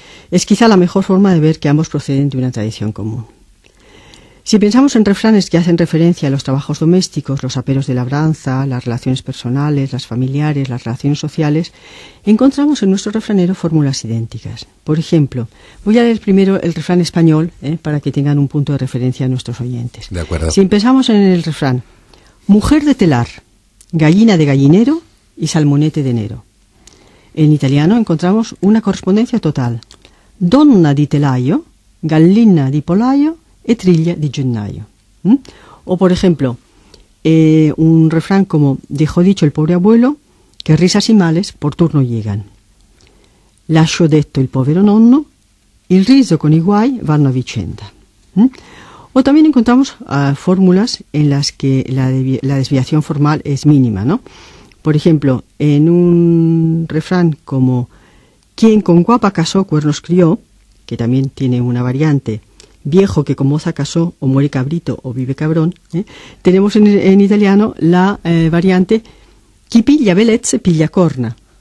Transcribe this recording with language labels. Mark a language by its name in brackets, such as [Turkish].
[Spanish] Es quizá la mejor forma de ver que ambos proceden de una tradición común. Si pensamos en refranes que hacen referencia a los trabajos domésticos, los aperos de labranza, las relaciones personales, las familiares, las relaciones sociales, encontramos en nuestro refranero fórmulas idénticas. Por ejemplo, voy a leer primero el refrán español para que tengan un punto de referencia a nuestros oyentes. De acuerdo. Si pensamos en el refrán, mujer de telar, gallina de gallinero y salmonete de enero. En italiano encontramos una correspondencia total. [Italian] Donna di telaio, gallina di pollaio, Etrilla di gennaio. [Spanish] O por ejemplo, un refrán como dejó dicho el pobre abuelo, que risas y males por turno llegan. [Italian] Lascio detto il povero nonno, il riso con i guai vanno a vicenda. [Spanish] O también encontramos fórmulas en las que la desviación formal es mínima, ¿no? Por ejemplo, en un refrán como quien con guapa casó cuernos crió, que también tiene una variante, viejo que con moza casó, o muere cabrito, o vive cabrón, tenemos en italiano la variante [Italian] chi piglia bellezze piglia corna.